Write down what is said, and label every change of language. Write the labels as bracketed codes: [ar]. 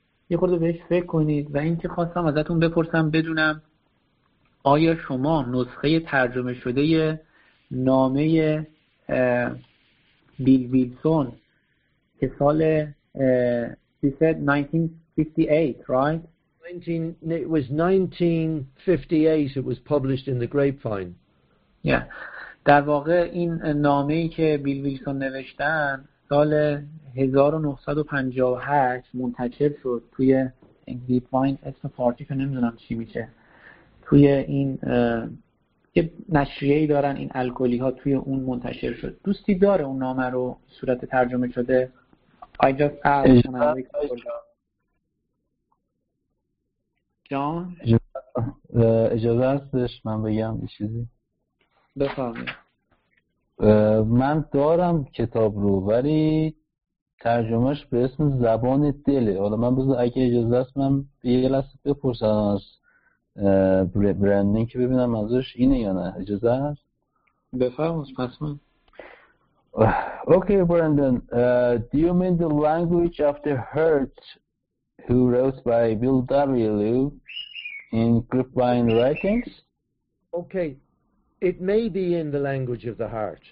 [fa] یه خورده بهش فکر کنید و این که خواستم ازتون بپرسم بدونم آیا شما نسخه ترجمه شده نامه بیل ویلسون که سال 1958 right [en] 19 it was 1958 it was published in the Grapevine. Yeah. [fa] در واقع این نامه‌ای که بیل ویلسون نوشتن سال 1958 منتشر شد توی گریپ‌واین. اسم فارسی که نمیدونم چی میشه توی این یه نشریه‌ای دارن این الکلی ها توی اون منتشر شد. دوستی داره اون نامه رو صورت ترجمه شده؟ [en] I just asked. [fa] جان اجازه هستش من بگم یه چیزی؟ بفرمایید. من دارم کتاب رو ولی ترجمهش به اسم زبان دله. حالا من بذار اگه اجازه هست من یه لحظه بپرسم از برندین که ببینم منظورش اینه یا نه. اجازه هست؟ بفرمایید پس من. [en] Okay, Brandon, do you mean the language of the hurt who wrote by Bill W. in Grapevine Writings? Okay, it may be in the language of the heart.